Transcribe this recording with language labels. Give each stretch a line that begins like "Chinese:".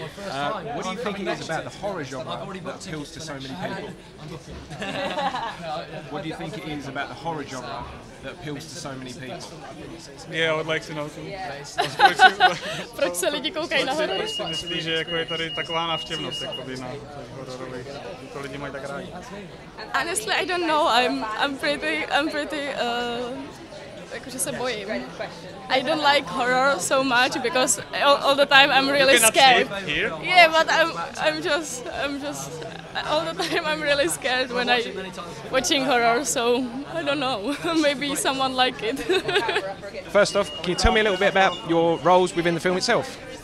English: What do you think it is about the horror genre that appeals to so many people? What do you think it is about the horror genre that appeals to so many people? Yeah, I would like to know.
Czech: Proč se lidi koukají na horor? Proč si myslí, že jako je tady taková návštěvnost jakoby na hororových? To lidi mají tak rádi.
English: Honestly, I don't know. I'm pretty
Czech: Jakože se bojím.
English: I don't like horror so much because all the time I'm really scared. Yeah, but I'm just all the time I'm really scared when I watching horror. So I don't know. Maybe someone like it. First off, can you tell me a little bit about your roles within the film itself?